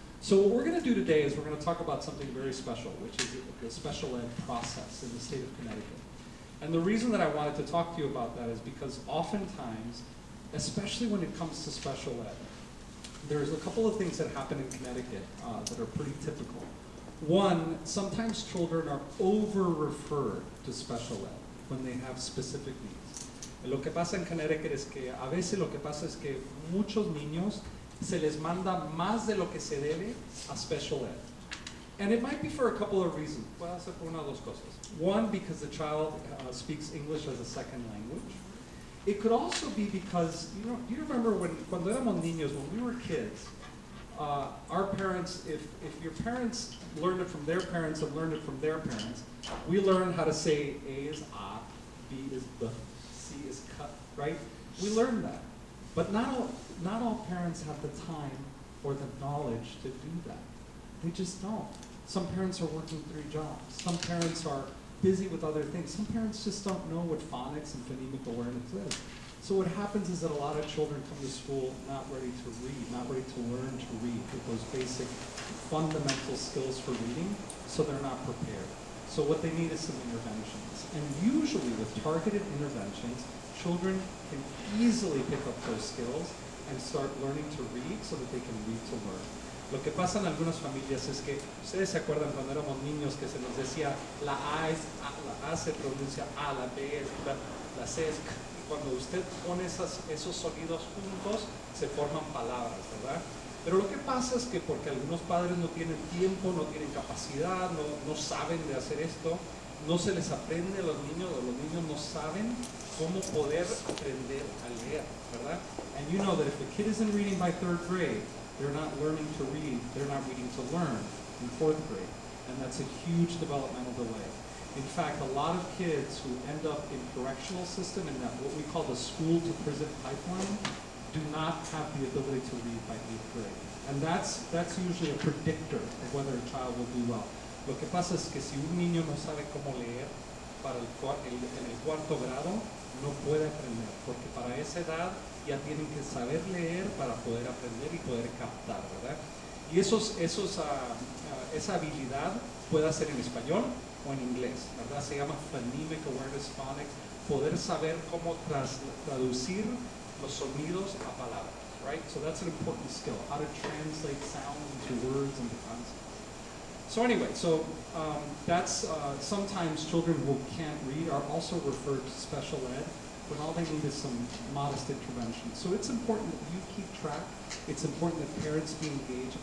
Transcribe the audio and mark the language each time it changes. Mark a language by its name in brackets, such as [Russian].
[English] So what we're going to do today is we're going to talk about something very special, which is a special ed process in the state of Connecticut. And the reason that I wanted to talk to you about that is because oftentimes, especially when it comes to special ed, there's a couple of things that happen in Connecticut that are pretty typical. One, sometimes children are over-referred to special ed when they have specific needs. [Spanish] Lo que pasa en Connecticut es que a veces lo que pasa es que muchos niños se les manda más de lo que se debe a special ed. [English] And it might be for a couple of reasons. [Spanish] Puede ser por una o dos cosas. [English] One, because the child speaks English as a second language. It could also be because, you know, do you remember when, [Spanish] cuando éramos niños, [English] when we were kids, our parents, if your parents learned it from their parents and learned it from their parents, we learned how to say A is A, B is B, C is C, right? We learned that. But not all parents have the time or the knowledge to do that. They just don't. Some parents are working three jobs. Some parents are busy with other things. Some parents just don't know what phonics and phonemic awareness is. So what happens is that a lot of children come to school not ready to read, not ready to learn to read with those basic fundamental skills for reading, so they're not prepared. So what they need is some interventions. And usually with targeted interventions, children can easily pick up those skills and start learning to read so that they can read to learn. [Spanish] Lo que pasa en algunas familias es que, ¿ustedes se acuerdan cuando éramos niños que se nos decía la A es A, la A se pronuncia A, la B es B, la C es C? Cuando usted pone esos sonidos juntos, se forman palabras, ¿verdad? Pero lo que pasa es que porque algunos padres no tienen tiempo, no tienen capacidad, no saben de hacer esto, no se les aprende a los niños no saben cómo poder aprender a leer, ¿verdad? [English] And you know that if a kid isn't reading by third grade, they're not learning to read, they're not reading to learn in fourth grade. And that's a huge developmental delay. In fact, a lot of kids who end up in correctional system and that what we call the school to prison pipeline do not have the ability to read by eighth grade. And that's usually a predictor of whether a child will do well. [Spanish] Lo que pasa es que si un niño no sabe cómo leer para el cuarto grado, no puede aprender, porque para esa edad ya tienen que saber leer para poder aprender y poder captar, ¿verdad? Y esa habilidad puede ser en español o en inglés, ¿verdad? Se llama phonemic awareness, phonics, poder saber cómo traducir los sonidos a palabras, right? [English] So that's an important skill, how to translate sounds into words and concepts. Sometimes children who can't read are also referred to special ed, but all they need is some modest intervention. So it's important that you keep track. It's important that parents be engaged.